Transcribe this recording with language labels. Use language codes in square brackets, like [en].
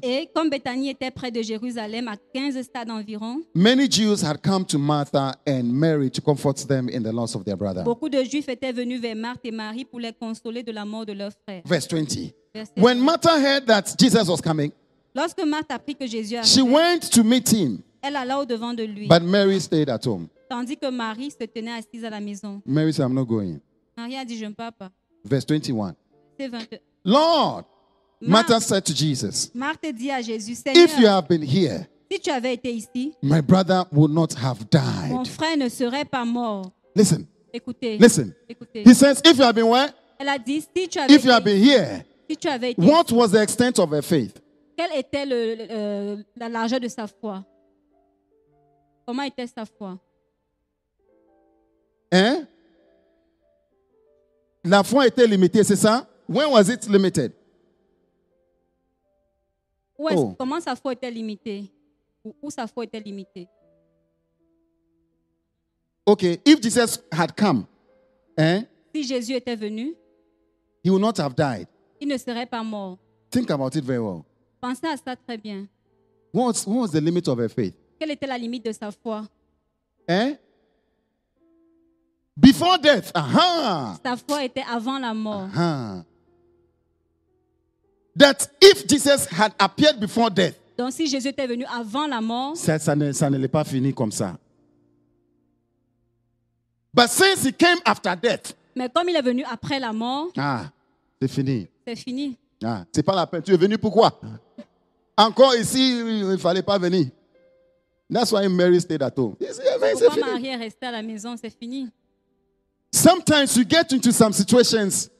[fr] Et comme Bethany était près de Jérusalem, à 15 stades environ. [en] Many Jews had come to Martha and Mary to comfort them in the loss of their brother. [fr] Beaucoup de Juifs étaient venus vers Marthe et Marie pour les consoler de la mort de leur frère. [en] Verse 20. When Martha heard that Jesus was coming, [fr] lorsque Martha apprit que Jésus arrivait, [en] she went to meet him. [fr] Elle alla au devant de lui. [en] But Mary stayed at home. [fr] Tandis que Marie se tenait assise à la maison. [en] Mary said, "I'm not going." [fr] Marie a dit, "Je ne pars pas." [en] Verse 21. [fr] C'est 22. [en] Lord, Martha said to Jesus, [fr] Martha dit à Jésus, [en] "If you have been here, [fr] si tu avais été ici, [en] my brother would not have died." [fr] Mon frère ne serait pas mort. [en] Listen. [fr] Écoutez. [en] Listen. [fr] Écoutez. [en] He says, "If you have been where?" [fr] Elle a dit, "Si tu avais [en] If you have been here." [fr] Si tu avais été, [en] what was the extent of her faith? [fr] Quelle était la largeur de sa foi? Comment était sa foi? Hein? La foi était limitée, c'est ça? [en] When was it limited? [fr] Comment sa foi était limitée? Où sa foi était limitée? [en] Okay, if Jesus had come, hein? [fr] Si Jésus était venu, [en] he would not have died. [fr] Il ne serait pas mort. [en] Think about it very well. [fr] Pensez à ça très bien. [en] What was the limit of her faith? [fr] Quelle était la limite de sa foi? [en] Hein? Before death. Aha! [fr] Sa foi était avant la mort. Aha. [en] That if Jesus had appeared before death. [fr] Donc si Jésus était venu avant la mort. Ça ne l'est pas fini comme ça. [en] But since he came after death. [fr] Mais comme il est venu après la mort. Ah, c'est fini. C'est fini. Ah, c'est pas la peine. Tu es venu pourquoi? Encore ici, il fallait pas venir. [en] That's why Mary stayed at home. [fr] Pourquoi Marie est restée à la maison? C'est fini. [en] Sometimes you get into some situations.